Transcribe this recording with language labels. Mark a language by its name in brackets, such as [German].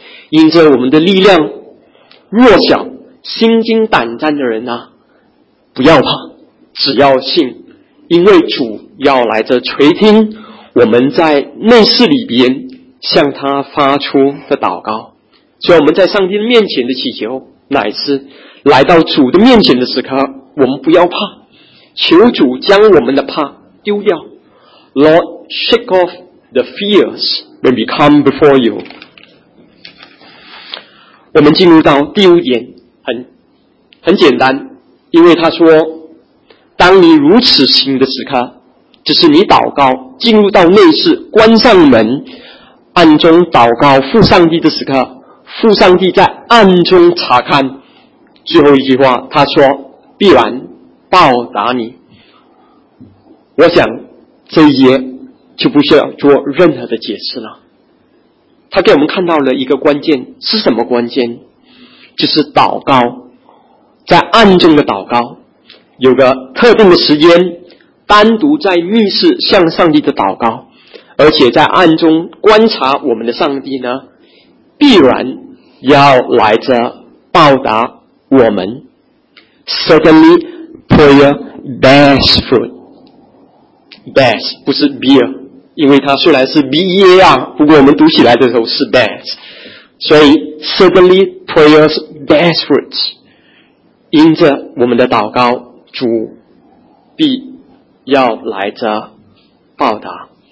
[Chinese] 因着我们的力量弱小心惊胆战的人啊，不要怕，只要信，因为主要来着垂听我们在内室里边向他发出的祷告。所以我们在上帝的面前的祈求，乃是来到主的面前的时刻，我们不要怕，求主将我们的怕丢掉。 [English] Lord, shake off the fears when we come before you. [Chinese] 我们进入到第五点，很简单，因为他说当你如此行的时刻，只是你祷告进入到内室关上门暗中祷告父上帝的时刻，父上帝在暗中查看。最后一句话他说必然报答你。我想这一页就不需要做任何的解释了，他给我们看到了一个关键，是什么关键？就是祷告，在暗中的祷告，有个特定的时间单独在密室向上帝的祷告，而且在暗中观察我们的上帝呢，必然要来着报答我们。 [English] Certainly prayer bears fruit. [Chinese] Bears 不是 bear， 因为它虽然是 bear， 不过我们读起来的时候是 bears， 所以 [English] Certainly prayers bears fruit， [Chinese] 因着我们的祷告，主必要来着报答。